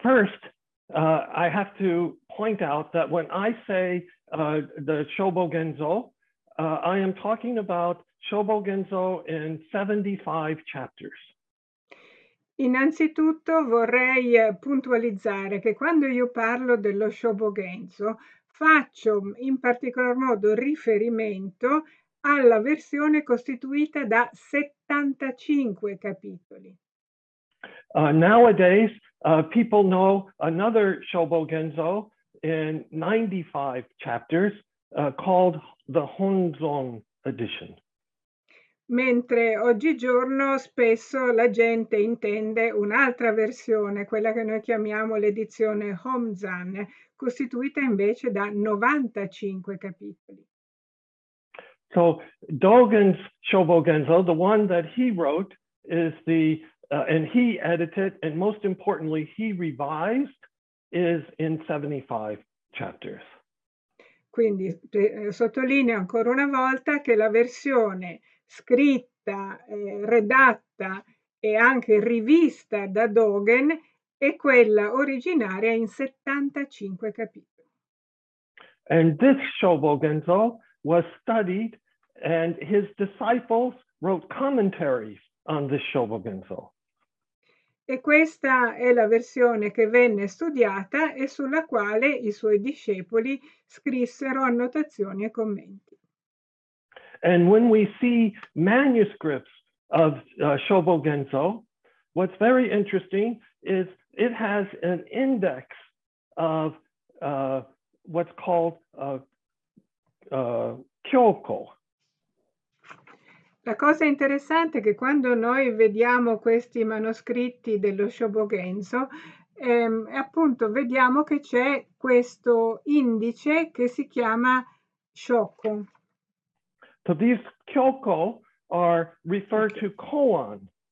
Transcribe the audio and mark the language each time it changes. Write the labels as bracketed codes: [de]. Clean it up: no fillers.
[en] So first, I have to point out that when I say the Shobo Genzo, I am talking about Shobo Genzo in 75 chapters. [it] Innanzitutto vorrei puntualizzare che quando io parlo dello Shobo Genzo faccio in particolar modo riferimento alla versione costituita da 75 capitoli. [en] Nowadays, people know another Shobo Genzo in 95 chapters called the Honzong edition. [it] Mentre oggigiorno spesso la gente intende un'altra versione, quella che noi chiamiamo l'edizione Honzan, costituita invece da 95 capitoli. [en] So Dogen's Shobo Genzo, the one that he wrote, is the and he edited and most importantly he revised, is in 75 chapters. [it] Quindi sottolineo ancora una volta che la versione scritta, redatta e anche rivista da Dogen e quella originaria in 75 capitoli. [en] And this Shobo Genzo was studied and his disciples wrote commentaries on this Shobo Genzo. [it] E questa è la versione che venne studiata e sulla quale i suoi discepoli scrissero annotazioni e commenti. [en] And when we see manuscripts of Shobo Genzo, what's very interesting is it has an index of what's called Kyoko. [it] La cosa interessante è che quando noi vediamo questi manoscritti dello Shobo Genzo, appunto vediamo che c'è questo indice che si chiama Shoko. [en] So these kyoko are referred to koan.